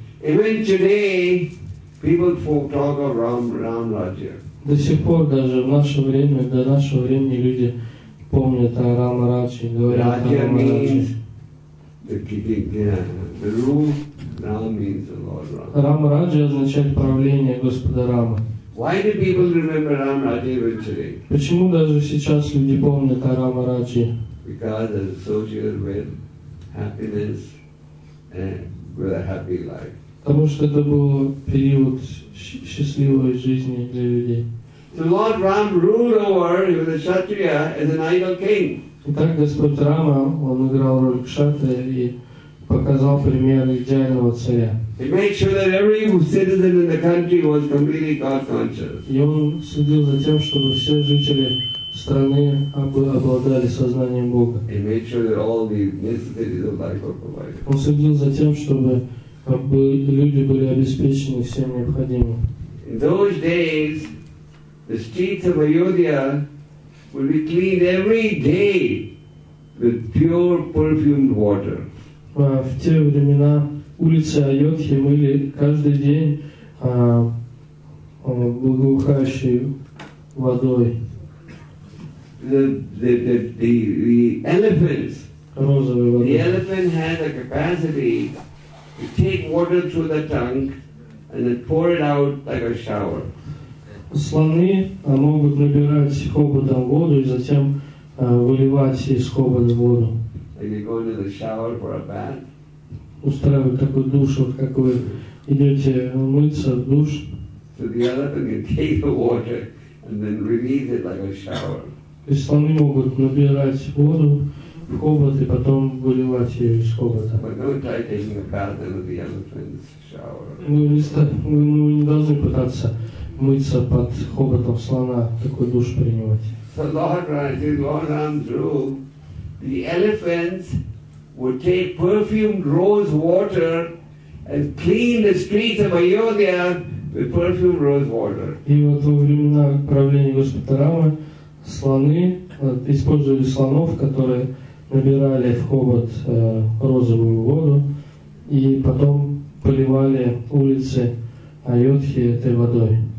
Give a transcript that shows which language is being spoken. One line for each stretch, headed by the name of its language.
English: Even today, people talk of Ram Rajya.
Russian: До сих пор даже в наше время, до нашего времени люди помнят о Рама Раджи, говорят о Рама Раджи.
English: The king, the rule
Russian: Рам Раджа означает правление Господа Рамы.
English: Why do people remember Ram Raja even today?
Russian: Почему даже сейчас люди помнят о Рама Раджи?
English: Because it's associated with happiness and with a happy life.
Russian: Потому что это был период счастливой жизни для людей.
English: So Lord Ram ruled over, he was a Kshatriya, as an idol king.
Russian: Итак, Господь Рама, он играл роль кшатрия и показал пример идеального царя.
English: He made sure that every citizen in the country was completely God-conscious.
Russian: И он следил за тем, чтобы все жители страны обладали сознанием Бога.
English: He made sure that all the necessities of life were provided.
Russian: Он следил за тем, чтобы люди были обеспечены всем необходимым.
English: In those days, the streets of Ayodhya would be cleaned every day with pure perfumed water.
Russian: В те времена улицы Айодхи мыли каждый день благоухающей водой.
English: The elephants.
Russian: Розовой водой.
English: The elephant had the capacity to take water through the tongue and then pour it out like a shower.
Russian: Слоны могут набирать хоботом воду и затем выливать из хобота воду.
English: Like you go to the shower for a bath.
Russian: Устраивать такой душ, вот как вы идете мыться в душ.
English: So the elephant can take the water and then release it like a shower.
Russian: И слоны могут набирать воду в хобот и потом выливать ее из хобота.
English: But don't try taking a bath in the elephant's shower.
Russian: Вы не должны пытаться мыться под хоботом слона, такой душ принимать.
English: So Lord Ram's rule, the elephants would take perfumed rose water and clean the streets of Ayodhya with perfumed rose water.
Russian: И вот во времена правления Господа Рамы слоны использовали слонов, которые набирали в хобот розовую воду и потом поливали улицы Айодхи этой водой.